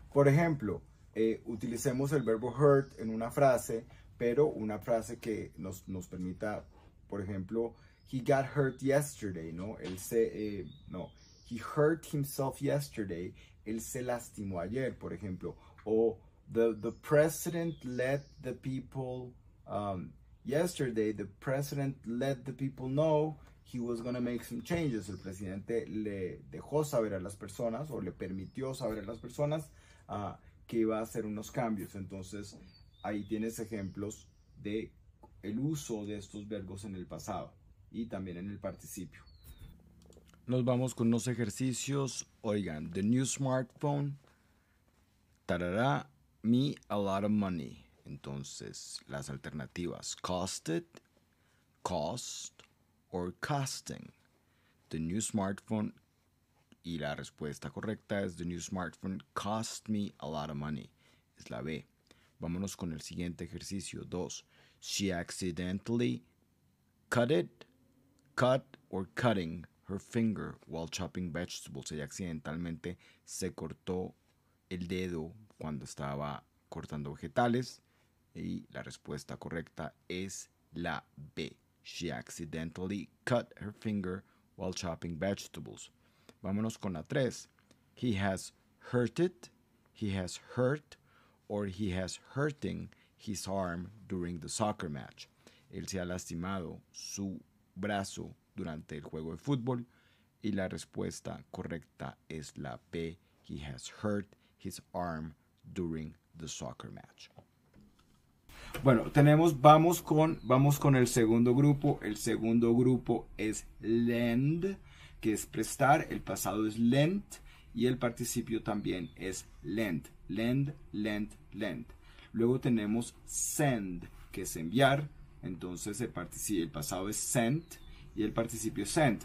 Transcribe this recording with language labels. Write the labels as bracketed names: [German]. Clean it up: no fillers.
[Spanish] Por ejemplo, utilicemos el verbo hurt en una frase. Pero una frase que nos permita, por ejemplo, [English] he got hurt yesterday, [Spanish] ¿no? No, [English] he hurt himself yesterday, [Spanish] él se lastimó ayer, por ejemplo. [English] O the president let the people, yesterday, the president let the people know he was going to make some changes. [Spanish] El presidente le dejó saber a las personas o le permitió saber a las personas que iba a hacer unos cambios. Entonces, ahí tienes ejemplos de el uso de estos verbos en el pasado y también en el participio. Nos vamos con unos ejercicios. [English] Oigan, the new smartphone, tardará me a lot of money. [Spanish] Entonces, las alternativas, costed, cost, or costing. [English] The new smartphone, [Spanish] y la respuesta correcta es, [English] the new smartphone cost me a lot of money. [Spanish] Es la B. Vámonos con el siguiente ejercicio [English] 2. She accidentally cut it, cut or cutting her finger while chopping vegetables. [Spanish] Ella accidentalmente se cortó el dedo cuando estaba cortando vegetales. Y la respuesta correcta es la B. [English] She accidentally cut her finger while chopping vegetables. [Spanish] Vámonos con la 3. [English] He has hurt it. He has hurt. Or he has hurting his arm during the soccer match. [Spanish] Él se ha lastimado su brazo durante el juego de fútbol. Y la respuesta correcta es la B. [English] He has hurt his arm during the soccer match. [Spanish] Bueno, vamos con el segundo grupo. El segundo grupo es lend, que es prestar. El pasado es lent. Y el participio también es lend, lend, lend, lend. Luego tenemos send, que es enviar. Entonces el pasado es sent y el participio es sent.